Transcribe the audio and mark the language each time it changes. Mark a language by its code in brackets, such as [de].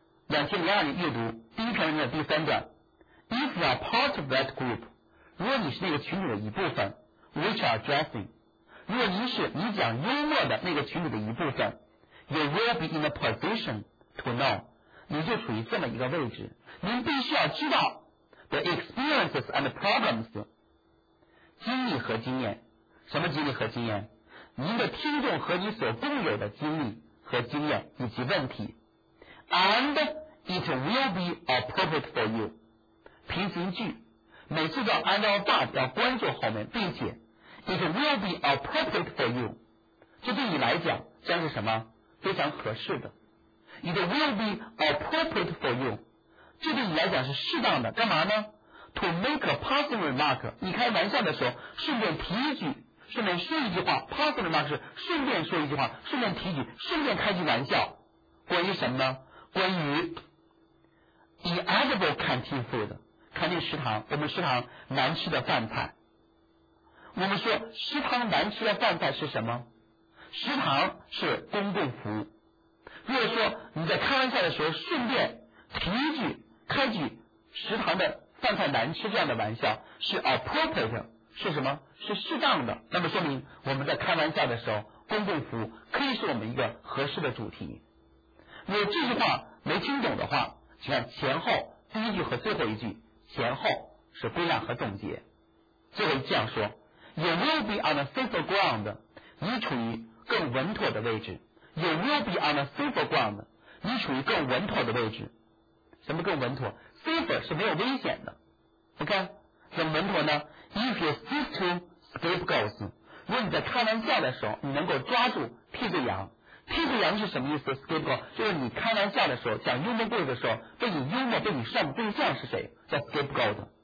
[zh] 2002年阅读第一篇文章的第三段。 [en] If you are part of that group, [zh] 如果你是那个群组的一部分 , [en] which are dressing, [zh] 如果你是你讲幽默的那个群组的一部分 , [en] you will be in a position to know, [zh] 你就处于这么一个位置。您必须要知道 [en] the experiences and the problems, [zh] 经历和经验。什么经历和经验？您的听众和你所共有的经历和经验以及问题。 [en] And it will be appropriate for you. [zh] 平行句，每次都要按照 that 要关注后面，并且 [en] it will be appropriate for you. [zh] 这对你来讲将是什么？非常合适的。 [en] It will be appropriate for you. [zh] 这对你来讲是适当的。干嘛呢？ [en] To make a passing remark. [zh] 你开玩笑的时候，顺便提一句，顺便说一句话。 Passing remark 是顺便说一句话，顺便提一句，顺便开句玩笑。关于什么呢？关于 [en] inedible canteen food, [zh] 看见食堂，我们食堂难吃的饭菜。我们说食堂难吃的饭菜是什么？食堂是公共服务。如果说你在开玩笑的时候顺便提一句，开句食堂的饭菜难吃这样的玩笑，是 [en] appropriate, [zh] 是什么？是适当的。那么说明我们在开玩笑的时候，公共服务可以是我们一个合适的主题。如果这句话没听懂的话，请看前后第一句和最后一句，前后是归纳和总结。 [en] 最后这样说 You will be on a safer ground, [zh] 你处于更稳妥的位置。 [en] You will be on a safer ground, [zh] 你处于更稳妥的位置。什么更稳妥？ Safer 是没有危险的。 OK, 怎么稳妥呢？ [en] If you stick to scapegoats, [zh] 如果你在开玩笑的时候你能够抓住替罪羊。替罪羊是什么意思？Scapegoat 就是你开玩笑的时候讲幽默故事的时候，被你幽默被你善的对象是谁，叫 Scapegoat。